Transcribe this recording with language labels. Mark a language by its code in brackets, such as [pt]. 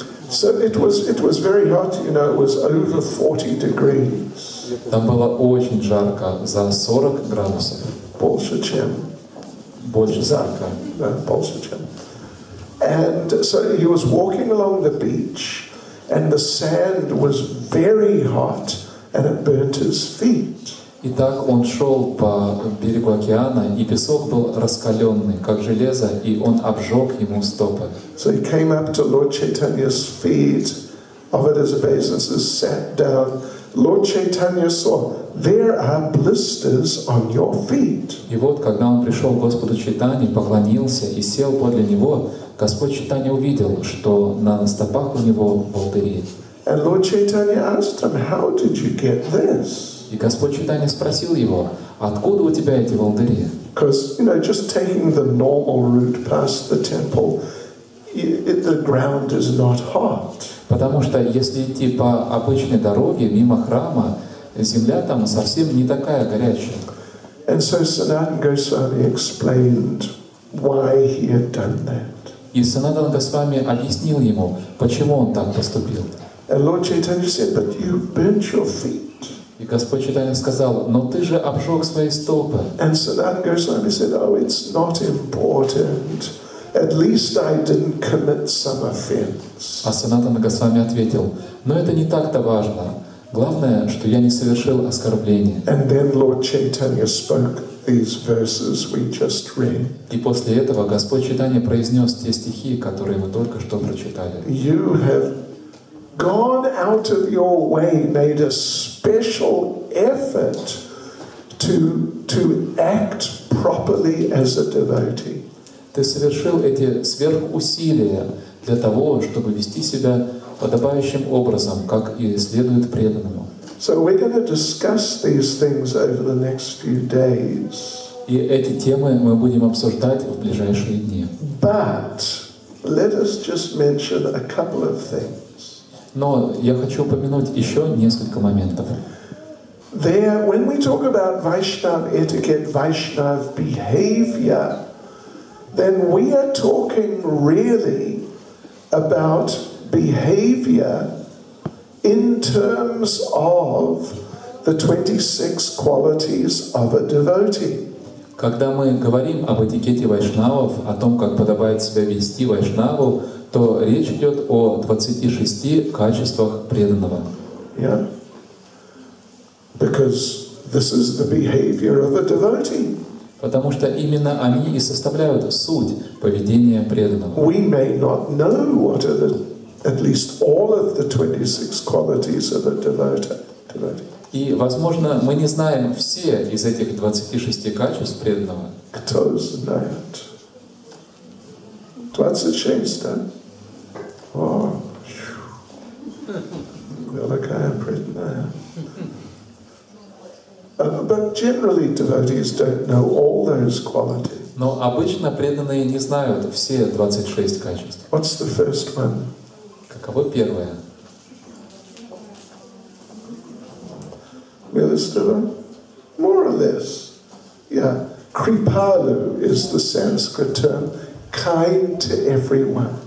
[en] So it was very hot, you know, it was over 40 degrees. [ru] Там было очень жарко, за 40 градусов. Больше, чем. Больше жарко. Да, больше, чем. [en] And so he was walking along the beach, and the sand was very hot, and it burnt his feet. [ru] Итак, он шел по берегу океана, и песок был раскаленный, как железо, и он обжег ему стопы. [en] So he came up to Lord Chaitanya's feet, offered his obeisances, sat down. Lord Chaitanya saw, there are blisters on your feet. [ru] И вот, когда он пришел к Господу Чайтанье, поклонился и сел подле него, Господь Чайтанья увидел, что на стопах у него волдыри. [en] And Lord Chaitanya asked him, how did you get this? [ru] И Господь Чайтанья спросил его, откуда у тебя эти волдыри? [en] Because, you know, just taking the normal route past the temple, the ground is not hot. [ru] Потому что если идти по обычной дороге мимо храма, земля там совсем не такая горячая. [en] And so Sanatana Goswami explained why he had done that. [ru] И Санатан Госвами объяснил ему, почему он так поступил. [en] And Lord Chaitanya said, "But you burnt your feet." [ru] И Господь Чайтанья сказал, но ты же обжег свои стопы. [en] And Sanatana Goswami said, "Oh, it's not important. At least I didn't commit some offense." [ru] А Санатана Госвами ответил, но это не так-то важно. Главное, что я не совершил оскорбления. [en] And then Lord Chaitanya spoke these verses we just read. [ru] И после этого Господь Чайтанья произнес те стихи, которые мы только что прочитали. [en] You have gone out of your way, made a special effort to act properly as a devotee. [ru] Ты совершил эти сверхусилия для того, чтобы вести себя подобающим образом, как и следует преданному. [en] So we're going to discuss these things over the next few days. [ru] И эти темы мы будем обсуждать в ближайшие дни. [en] But let us just mention a couple of things. [ru] Но я хочу упомянуть еще несколько моментов. [en] There, when we talk about Vaishnav etiquette, Vaishnav behavior, then we are talking really about behavior in terms of the 26 qualities of a devotee. [ru] Когда мы говорим об этикете вайшнавов, о том, как подобает себя вести вайшнаву, то речь идет о 26 качествах преданного. [en] Yeah. Because this is the behavior of a devotee. [ru] Потому что именно они и составляют суть поведения преданного. [en] We may not know what are the at least all of the 26 qualities of a devotee. [ru] И, возможно, мы не знаем все из этих 26 качеств преданного. Кто знает? 26, да? О, великая преданная. [en] But generally devotees don't know all those qualities. [ru] Но обычно преданные не знают все 26 качеств. [en] What's the first one? [ru] Каково первое? Милостиво? [en] More or less. Yeah. Kripalu is the Sanskrit term. Kind to everyone.